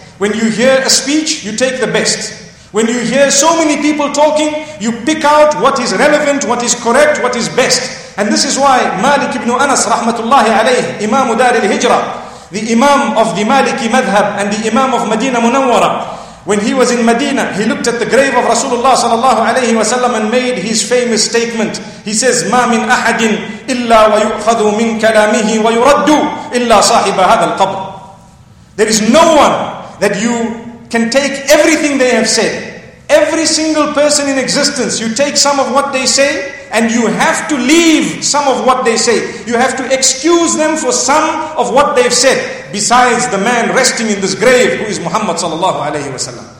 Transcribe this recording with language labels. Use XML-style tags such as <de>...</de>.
<en>When you hear a speech, you take the best. When you hear so many people talking, you pick out what is relevant, what is correct, what is best. And this is why Malik ibn Anas rahmatullahi alayhi, Imam Dar al-Hijra, the Imam of the Maliki Madhab and the Imam of Medina Munawwara, when he was in Medina, he looked at the grave of Rasulullah sallallahu alayhi wa sallam and made his famous statement. He says,</en> <ar>مَا مِنْ أَحَدٍ إِلَّا وَيُؤْخَذُ مِنْ كَلَامِهِ وَيُرَدُّ إِلَّا صَاحِبَ هَذَا الْقَبْرِ.</ar> <en>There is no one that you can take everything they have said. Every single person in existence, you take some of what they say and you have to leave some of what they say. You have to excuse them for some of what they've said, besides the man resting in this grave who is Muhammad sallallahu alayhi wa sallam.</en>